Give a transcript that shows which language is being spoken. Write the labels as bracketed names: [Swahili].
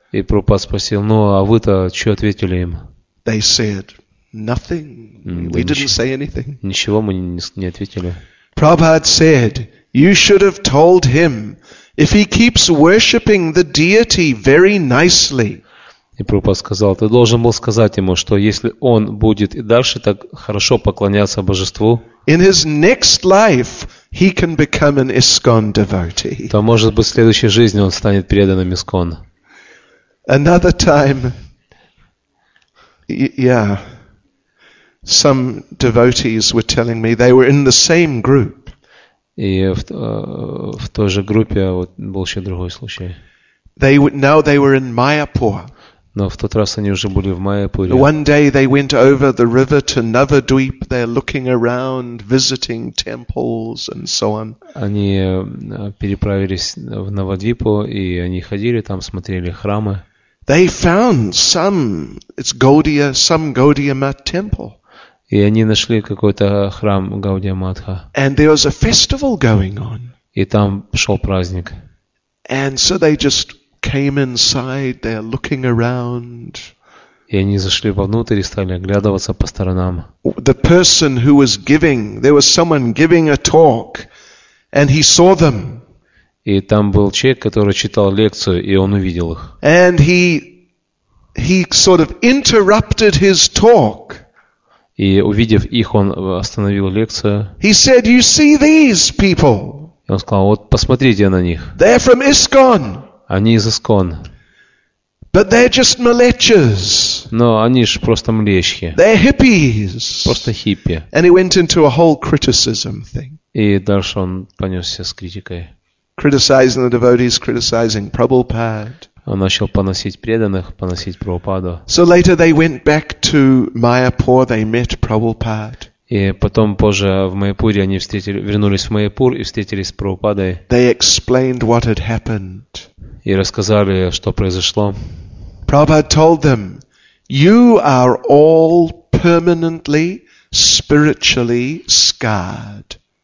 [Russian] И Прабхупада спросил: "Ну, а вы-то что ответили им?" [English] They said nothing. We didn't say anything. [Russian] Ничего мы не ответили. [English] Prabhupada said, "You should have told him if he keeps worshipping the deity very nicely." [Russian] И Прабхупада сказал: "Ты должен был сказать ему, что если он будет и дальше так хорошо поклоняться божеству, [English] in his next life he can become an ISKCON devotee." [Russian] То может быть в следующей жизни он станет преданным ISKCON. [English] Another time, yeah, some devotees were telling me they were in the same group. [Russian] И в той же группе вот был еще другой случай. [English] Now they were in Mayapur. [Russian] Но в тот раз они уже были в Майяпуре. [English] One day they went over the river to Navadweep. They're looking around, visiting temples and so on. [Russian] Они переправились в Навадвипу и они ходили там, смотрели храмы. [English] They found some Gaudiya Mutt temple. [Russian] И они нашли какой-то храм Гаудия Матха. [English] And there was a festival going on. [Russian] И там шел праздник. [English] And so they just came inside, they're looking around. [Russian] И они зашли вовнутрь и стали оглядываться по сторонам. [English] The person who was giving, there was someone giving a talk, and he saw them. [Russian] И там был человек, который читал лекцию, и он увидел их. [English] And he sort of interrupted his talk. [Russian] И увидев их, он остановил лекцию. [English] He said, "You see these people?" [Russian] И он сказал: "Вот посмотрите на них." [English] They're from ISKCON. [Russian] Они из ISKCON. [English] But they're just malechas. [Russian] Но они ж просто млечки. [English] They're hippies. [Russian] Просто хиппи. [English] And he went into a whole criticism thing. [Russian] И дальше он понесся с критикой. [English] Criticizing the devotees, criticizing Prabhupada. [Russian] Он начал поносить преданных, поносить Прабхупаду. [English] So later they went back to Mayapur, they met Prabhupada. [Russian] И потом позже в Майяпуре они встретили, вернулись в Майяпур и встретились с Прабхупадой. [English] They explained what had happened. [Russian] И рассказали, что произошло. [English] Prabhupada told them, "You are all permanently spiritually scarred."